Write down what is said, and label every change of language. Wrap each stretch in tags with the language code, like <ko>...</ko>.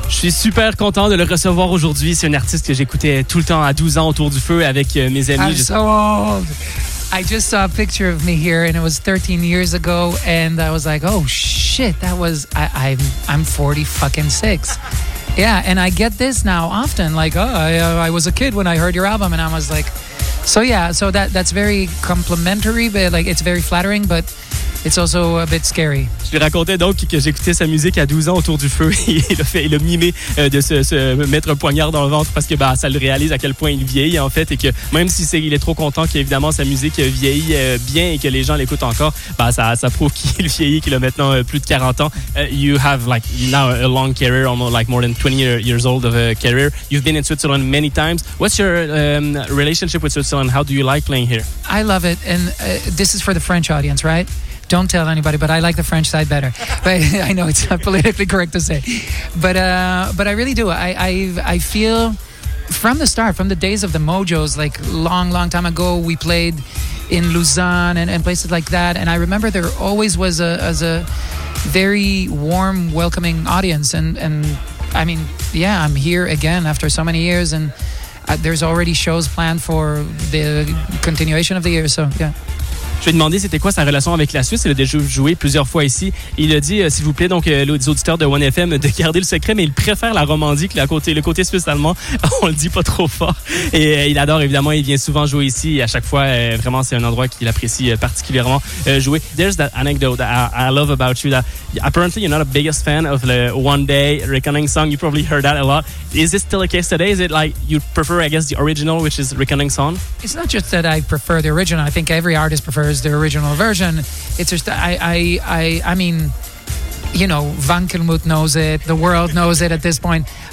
<fr>Je suis super content de le recevoir aujourd'hui. C'est un artiste que j'écoutais tout le temps à 12 ans autour du feu avec mes amis.</fr> <en>I'm so old. I just saw a picture of me here and it was 13 years ago and I was like, oh shit, that was, I'm 40 fucking six. Yeah, and I get this now often, like, oh, I was a kid when I heard your album and I was like, so yeah, so that's very complimentary, but like, it's very flattering, but it's also a bit scary.</en> <fr>Je lui racontais donc que j'écoutais sa musique à 12 ans autour du feu. Il a mimé de se mettre un poignard dans le ventre parce que ça le réalise à quel point il vieillit en fait. Et que même si il est trop content qu'évidemment sa musique vieillit bien et que les gens l'écoutent encore, ça prouve qu'il vieillit, qu'il a maintenant plus de 40 ans.</fr> <en>You have like now a long career, almost like more than 20 years old of a career. You've been in Switzerland many times. What's your relationship with Switzerland? How do you like playing here? I love it. And this is for the French audience, right? Don't tell anybody, but I like the French side better. But I know it's not politically correct to say. But I really do. I feel from the start, from the days of the Mojos, like long, long time ago, we played in Lausanne and places like that. And I remember there always was a very warm, welcoming audience. And I mean, yeah, I'm here again after so many years. And there's already shows planned for the continuation of the year. So, yeah.</en> <fr>Je lui ai demandé c'était quoi sa relation avec la Suisse. Il a déjà joué plusieurs fois ici. Il a dit, s'il vous plaît, donc, aux auditeurs de One FM de garder le secret, mais il préfère la Romandie que le côté suisse-allemand. On le dit pas trop fort. Et il adore, évidemment, il vient souvent jouer ici. Et à chaque fois, vraiment, c'est un endroit qu'il apprécie particulièrement jouer.</fr> <en>There's that anecdote that I love about you, that apparently you're not the biggest fan of the One Day Reckoning song. You probably heard that a lot. Is this still the case today? Is it like you prefer, I guess, the original, which is Reckoning song? It's not just that I prefer the original. I think every artist prefers the original version. It's just I mean, you know, Wankelmuth knows it, the world knows it at this point.</en>